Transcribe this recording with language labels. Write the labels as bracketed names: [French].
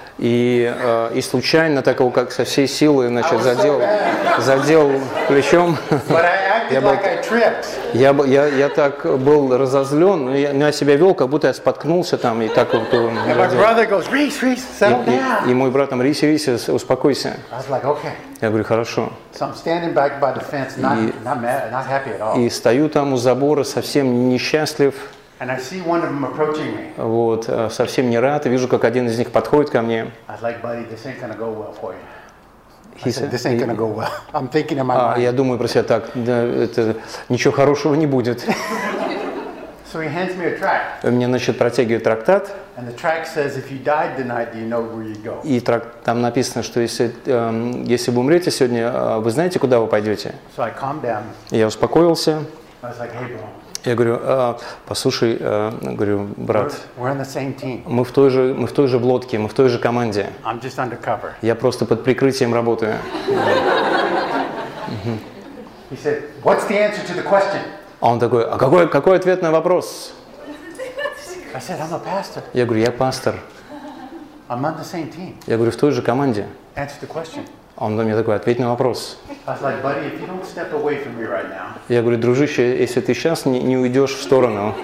[Russian] И случайно так его как со всей силы, значит, задел плечом. [English] But I acted like I tripped. [Russian] Я так был разозлен, я себя вел, как будто я споткнулся там и так вот. [English] And my brother goes, Reese, settle down. [Russian] И мой брат там, Риси, успокойся. [English] I was like, okay. [Russian] Я говорю, хорошо. [English] So I'm standing back by the fence, not happy at all. [Russian] И стою там у забора, совсем несчастлив. [English] And I see one of them approaching me. [Russian] Вот, совсем не рад, вижу, как один из них подходит ко мне. [English] I was like, buddy, this ain't gonna go well for you. He said, "This ain't gonna go well." I'm thinking in my mind. [Russian] Я думаю про себя так. Да, это ничего хорошего не будет. [English] So he hands me a tract. [Russian] Мне, значит, протягивает трактат. [English] And the tract says, "If you died tonight, do you know where you go?" [Russian] И там написано, что если вы умрете сегодня, вы знаете, куда вы пойдете? [English] So I calmed down. [Russian] Я успокоился. [English] I was like, "Hey, bro." [Russian] Я говорю, послушай, говорю, брат, мы в той же лодке, мы в той же команде. [English] I'm just undercover. [Russian] Я просто под прикрытием работаю. [English] He said, what's the answer to the question? [Russian] Он такой, а какой ответ на вопрос? [English] I said, I'm a pastor. [Russian] Я говорю, я пастор. [English] I'm on the same team. [Russian] Я говорю, в той же команде. [English] Answer the question. [Russian] Он мне такой, ответь на вопрос. [English] Like, right now, [Russian] я говорю, дружище, если ты сейчас не уйдешь в сторону,